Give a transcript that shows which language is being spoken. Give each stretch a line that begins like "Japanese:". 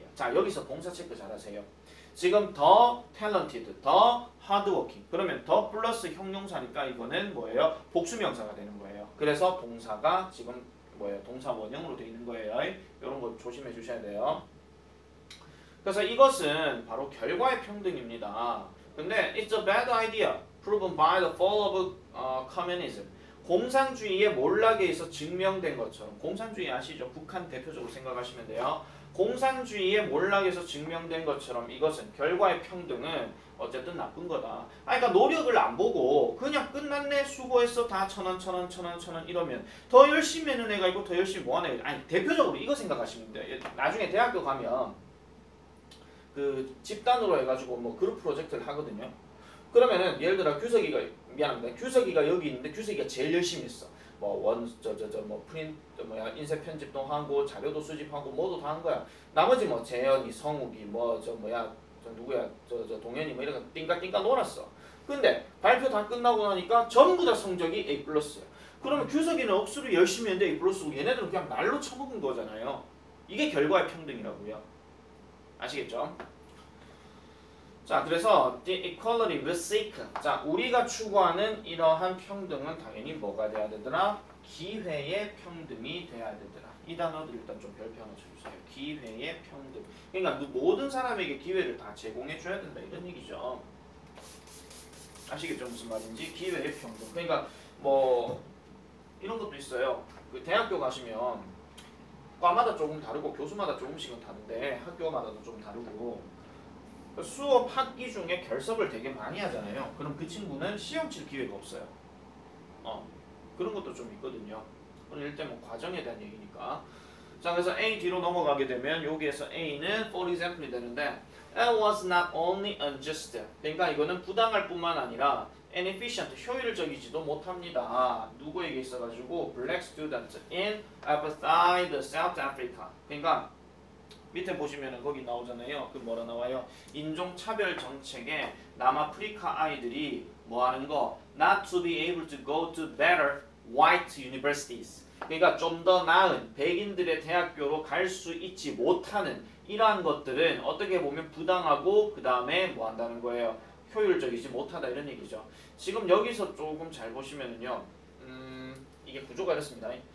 Korean: 자, 여기서 봉사 체크 잘하세요. 지금 더 탤런티드, 더 하드워킹. 그러면 더 플러스 형용사니까 이거는 뭐예요? 복수명사가 되는 거예요. 그래서 봉사가 지금 뭐예요? 동사 원형으로 되어 있는 거예요. 이런 거 조심해 주셔야 돼요. 그래서 이것은 바로 결과의 평등입니다. 근데
English: it's a bad idea proven by the fall of communism.
Korean: 공산주의의 몰락에서 증명된 것처럼. 공산주의 아시죠? 북한 대표적으로 생각하시면 돼요. 공산주의의 몰락에서 증명된 것처럼 이것은 결과의 평등은 어쨌든 나쁜 거다. 아, 그러니까 노력을 안 보고 그냥 끝났네 수고했어 다 천원 천원 천원 천원 이러면 더 열심히 하는 애가 있고 더 열심히 뭐 하는 애가 있고. 아니 대표적으로 이거 생각하시면 돼요. 나중에 대학교 가면 그 집단으로 해가지고 뭐 그룹 프로젝트를 하거든요. 그러면은 예를 들어 규석이가, 미안합니다, 규석이가 여기 있는데 규석이가 제일 열심히 했어. 뭐 원 저 뭐 프린트 뭐야 인쇄 편집도 하고 자료도 수집하고 모두 다 한 거야. 나머지 뭐 재현이 성욱이 뭐 저 뭐야 저 누구야 저 동현이 뭐 이렇게 띵까띵까 놀았어. 근데 발표 다 끝나고 나니까 전부 다 성적이 A 플러스야. 그러면 규석이는 억수로 열심히 했는데 A 플러스고 얘네들은 그냥 날로 쳐먹은 거잖아요. 이게 결과의 평등이라고요. 아시겠죠? 자, 그래서
English: the equality we seek.
Korean: 자, 우리가 추구하는 이러한 평등은 당연히 뭐가 돼야 되더라? 기회의 평등이 돼야 되더라. 이 단어도 일단 좀 별표 하나 쳐주세요. 기회의 평등. 그러니까 그 모든 사람에게 기회를 다 제공해 줘야 된다 이런 얘기죠. 아시겠죠 무슨 말인지? 기회의 평등. 그러니까 뭐 이런 것도 있어요. 그 대학교 가시면 과마다 조금 다르고 교수마다 조금씩은 다른데 학교마다도 좀 다르고. 수업 학기 중에 결석을 되게 많이 하잖아요. 그럼 그 친구는 시험 칠 기회가 없어요. 그런 것도 좀 있거든요. 그럼 일단 뭐 과정에 대한 얘기니까. 자, 그래서 A 뒤로 넘어가게 되면 여기에서 A는
English: for example
Korean: 이 되는데
English: It was not only unjust.
Korean: 그러니까 이거는 부당할 뿐만 아니라 inefficient, 효율적이지도 못합니다. 누구에게 있어가지고
English: black students in apartheid South Africa.
Korean: 그러니까 밑에 보시면은 거기 나오잖아요. 그 뭐라 나와요? 인종차별 정책에 남아프리카 아이들이 뭐하는 거?
English: Not to be able to go to better white universities.
Korean: 그러니까 좀 더 나은 백인들의 대학교로 갈 수 있지 못하는 이러한 것들은 어떻게 보면 부당하고 그 다음에 뭐 한다는 거예요? 효율적이지 못하다 이런 얘기죠. 지금 여기서 조금 잘 보시면은요. 이게 구조가 이렇습니다.